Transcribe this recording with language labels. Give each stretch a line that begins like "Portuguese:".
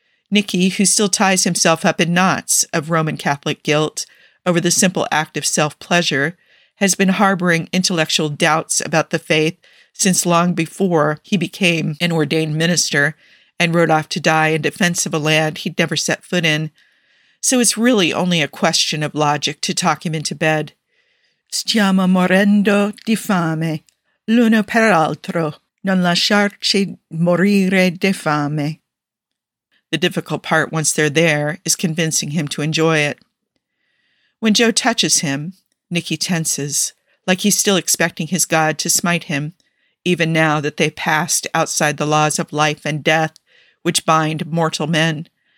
English: Nikki, who still ties himself up in knots of Roman Catholic guilt over the simple act of self-pleasure, has been harboring intellectual doubts about the faith since long before he became an ordained minister and rode off to die in defense of a land he'd never set foot in. So it's really only a question of logic to talk him into bed.
Italian: Stiamo morendo di fame, l'uno per l'altro. Non lasciarci morire di fame.
English: The difficult part, once they're there, is convincing him to enjoy it. When Joe touches him, Nikki tenses, like he's still expecting his god to smite him, even now that they've passed outside the laws of life and death, which bind mortal men.